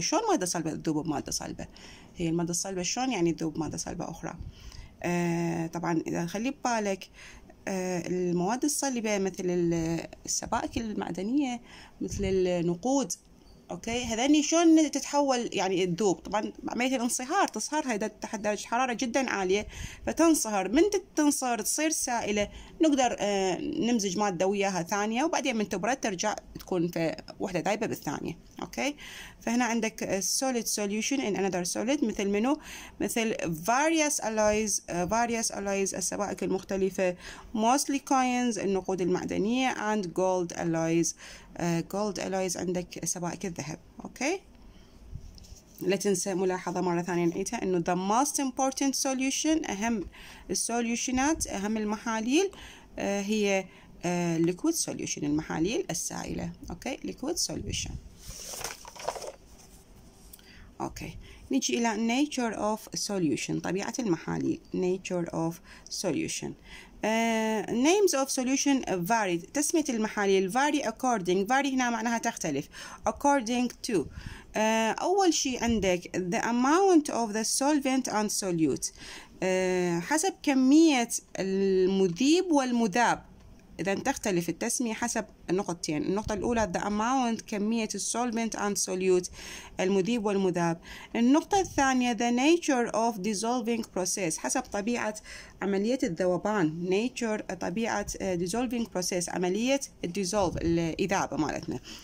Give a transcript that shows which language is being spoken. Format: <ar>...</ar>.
<ar>شلون مادة صلبة تذوب بمادة صلبة؟ هي المادة الصلبة شلون يعني تذوب مادة صلبة أخرى؟ طبعا إذا خلي ببالك المواد الصلبة مثل السبائك المعدنية مثل النقود، اوكي، هذني شلون تتحول يعني تذوب؟ طبعا عمليه الانصهار تصهرها اذا تحت درجه حراره جدا عاليه فتنصهر، من تنصهر تصير سائله، نقدر نمزج ماده وياها ثانيه وبعدين من تبرد ترجع تكون في وحده ذايبه بالثانيه. اوكي، فهنا عندك</ar> <en>solid solution in another solid</en> <ar>مثل منو؟ مثل</ar> <en>various alloys</en> <ar>السبائك المختلفه،</ar> <en>mostly coins</en> <ar>النقود المعدنيه،</ar> <en>and gold alloys gold alloys</en> <ar>عندك سبائك الذهب. اوكي، لا تنسى ملاحظه مره ثانيه نعيدها انه</ar> <en>the most important solution</en> <ar>اهم السوليوشنات اهم المحاليل هي</ar> <en>liquid solution</en> <ar>المحاليل السائله.</ar> <en>Okay, liquid solution. Okay, نجي الى nature of solution</en> <ar>طبيعه المحاليل</ar> <en>nature of solution. Names of solution vary</en> <ar>تسمية المحاليل</ar> <en>vary according vary</en> <ar>هنا معناها تختلف</ar> <en>according to</en> <ar>أول شيء عندك</ar> <en>the amount of the solvent and solute</en> <ar>حسب كمية المذيب والمذاب. إذا تختلف التسمية حسب نقطتين، النقطة الأولى</ar> <en>the amount</en> <ar>كمية</ar> <en>solvent and solute</en> <ar>المذيب والمذاب، النقطة الثانية</ar> <en>the nature of dissolving process</en> <ar>حسب طبيعة عملية الذوبان nature طبيعة dissolving process عملية dissolve الإذابة مالتنا.</ar>